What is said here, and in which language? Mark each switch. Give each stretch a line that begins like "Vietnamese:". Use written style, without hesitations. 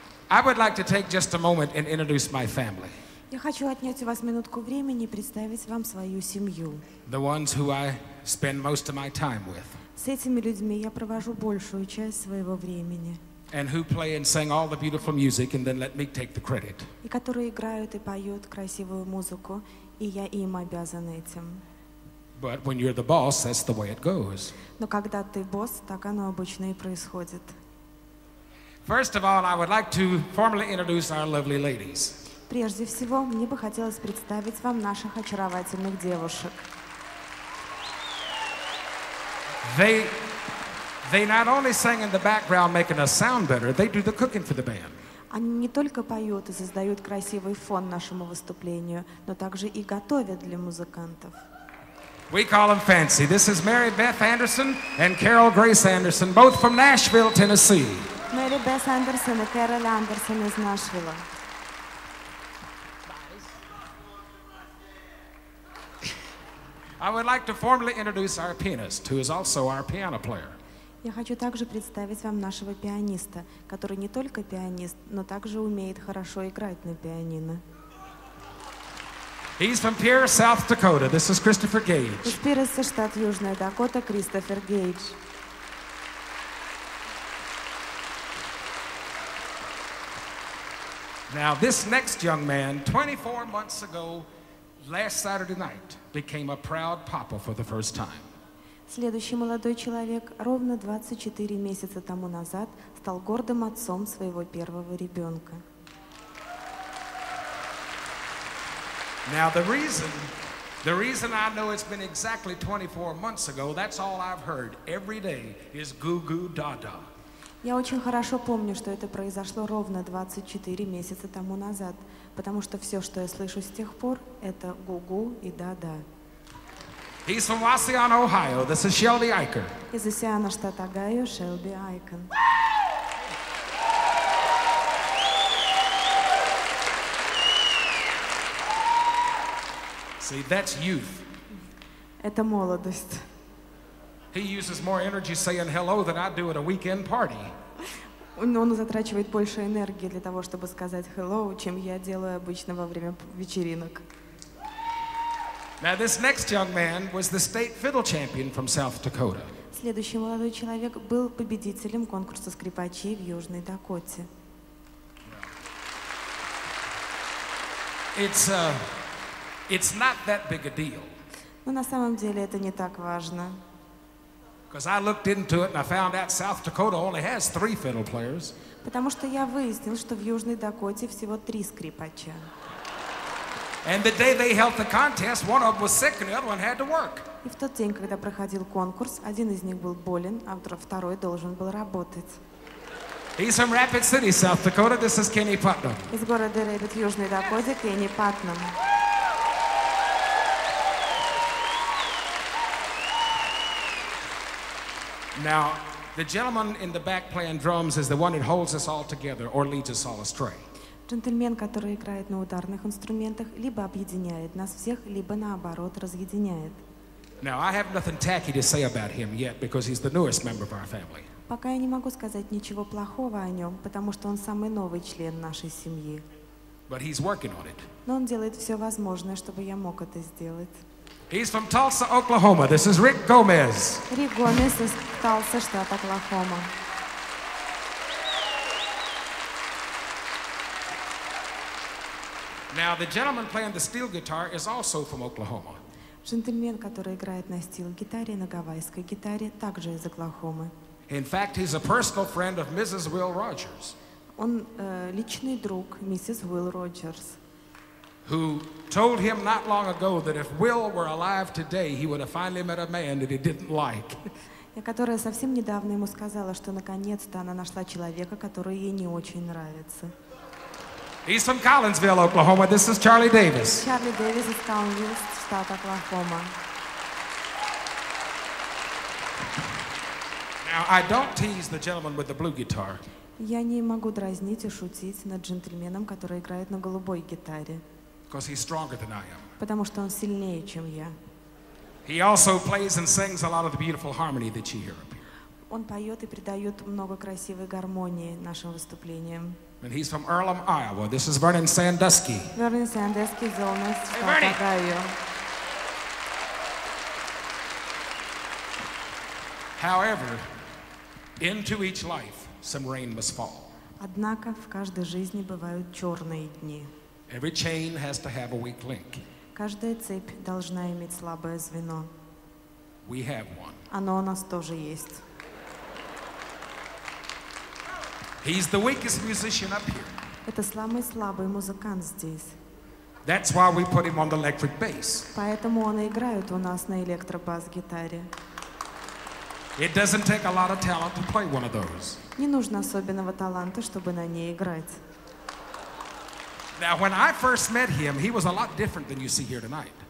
English: I would like to take just a moment and introduce my family.
Russian: Я хочу отнять у вас минутку времени и представить вам свою семью.
English: The ones who I spend most of my time with.
Russian: С этими людьми я провожу большую часть своего времени.
English: And who play and sing all the beautiful music and then let me take the credit.
Russian: И которые играют и поют красивую музыку, и я им обязана этим.
English: But when you're the boss, that's the way it goes.
Russian: Но когда ты босс, так оно обычно и происходит.
English: First of all, I would like to formally introduce our lovely ladies.
Russian: Прежде всего, мне бы хотелось представить вам наших очаровательных девушек.
English: They not only sing in the background, making us sound better, they do the cooking for the band.
Russian: Они не только поют и создают красивый фон нашему выступлению, но также и готовят для музыкантов.
English: We call them fancy. This is Mary Beth Anderson and Carol Grace Anderson, both from Nashville, Tennessee. Mary Beth Anderson and Carol Anderson
Russian: из Нашвилла.
English: I would like to formally introduce our pianist, who is also our piano player.
Russian: Я хочу также представить вам нашего пианиста, который не только пианист, но также умеет хорошо играть на пианино.
English: He's from Pierce, South Dakota. This is Christopher Gage.
Russian: Из Пирса, штат Южная Дакота, Кристофер Гейдж.
English: Now this next young man, 24 months ago, last Saturday night, became a proud papa for the first time.
Russian: Следующий молодой человек ровно 24 месяца тому назад стал гордым отцом своего первого ребенка.
English: Now the reason I know it's been exactly 24 months ago, that's all I've heard every day is goo-goo da-da.
Russian: Я очень хорошо помню, что это произошло ровно 24 месяца тому назад, потому что все, что я слышу с тех пор, это гу-гу и да-да.
English: He's from Wasiana, Ohio. This is Shelby Eichen.
Russian: Из Осиана, штат Огайо, Шелби Айкен.
English: See, that's youth.
Russian: Это молодость.
English: He uses more energy saying hello than I do at a weekend party.
Russian: Он затрачивает больше энергии для того, чтобы сказать hello, чем я делаю обычно во время вечеринок.
English: Now this next young man was the state fiddle champion from South Dakota.
Russian: Следующий молодой человек был победителем конкурса скрипачей в Южной Дакоте.
English: It's not that big a deal.
Russian: Но на самом деле это не так важно.
English: Because I looked into it and I found out South Dakota only has 3 fiddle players.
Russian: Потому что я выяснил, что в Южной Дакоте всего 3 скрипача.
English: And the day they held the contest, one of them was sick and the other one had to work.
Russian: И в тот день, когда проходил конкурс, один из них был болен, а второй должен был работать.
English: He's from Rapid City, South Dakota. This is Kenny Putnam.
Russian: Из города Рэпид, Южной Дакоте, Кенни Паттнам.
English: Now, the gentleman in the back playing drums is the one that holds us all together or leads us all astray.
Russian: Джентльмен, который играет на ударных инструментах, либо объединяет нас всех, либо наоборот разъединяет.
English: Now, I have nothing tacky to say about him yet, because he's the newest member of our family.
Russian: Пока я не могу сказать ничего плохого о нем, потому что он самый новый член нашей семьи.
English: But he's working on it.
Russian: Но он делает все возможное, чтобы я мог это сделать.
English: He's from Tulsa, Oklahoma. This is Rick Gomez.
Russian: Рик Гомес из Талса, штат Оклахома.
English: Now the gentleman playing the steel guitar is also from Oklahoma.
Russian: Джентльмен, который играет на стил-гитаре на гавайской гитаре, также из Оклахомы.
English: In fact, he's a personal friend of Mrs. Will Rogers.
Russian: Он личный друг миссис Уилл Роджерс.
English: Who told him not long ago that if Will were alive today, he would have finally met a man that he didn't like.
Russian: И которая совсем недавно ему сказала, что наконец-то она нашла человека, который ей не очень нравится.
English: He's from Collinsville, Oklahoma. This is Charlie Davis. Charlie Davis is Collinsville, state of Oklahoma. Now, I don't tease the gentleman with the blue guitar.
Russian: Я не могу дразнить и шутить над джентльменом, который играет на голубой гитаре.
English: Because he's stronger than I am.
Russian: Потому что он сильнее, чем я.
English: He also plays and sings a lot of the beautiful harmony that you hear up here.
Russian: Он поет и придает много красивой гармонии нашим выступлениям.
English: And he's from Earlham, Iowa. This is Vernon Sandusky. Vernon Sandusky is on us. Hey, Vernon. However, into each life, some rain must fall.
Russian: Однако в каждой жизни бывают черные дни.
English: Every chain has to have a weak link.
Russian: Каждая цепь должна иметь слабое звено.
English: We have one.
Russian: Оно у нас тоже есть.
English: He's the weakest musician up here.
Russian: Это самый слабый музыкант здесь.
English: That's why we put him on the electric bass.
Russian: Поэтому он играет у нас на электробас-гитаре.
English: It doesn't take a lot of talent to play one of those.
Russian: Не нужно особенного таланта, чтобы на ней играть.
English: Now, when I first met him, he was a lot different than you see here tonight.